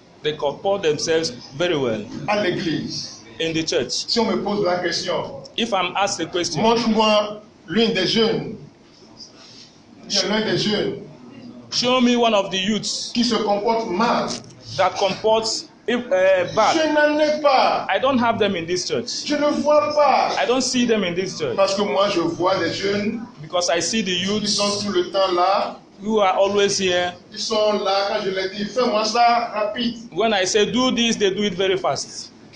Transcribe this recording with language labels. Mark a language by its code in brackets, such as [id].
[en] They comport themselves very well. [fr] À l'église. [en] In the church. [fr] Si on me pose la question. [en] If I'm asked the question. [fr] Montre-moi l'un des jeunes. L'un des jeunes. [en] Show me one of the youths. [fr] Qui se comporte mal. [en] That comports bad. [fr] Je n'en ai pas. [en] I don't have them in this church. [fr] Je ne vois pas. [en] I don't see them in this church. [fr] Parce que moi je vois des jeunes. [en] Because I see the youths [fr] ils sont tout le temps là, [en] who are always here. [fr] Ils sont là, quand je les dis, fais-moi ça rapide. [en] When I say do this, they do it very fast.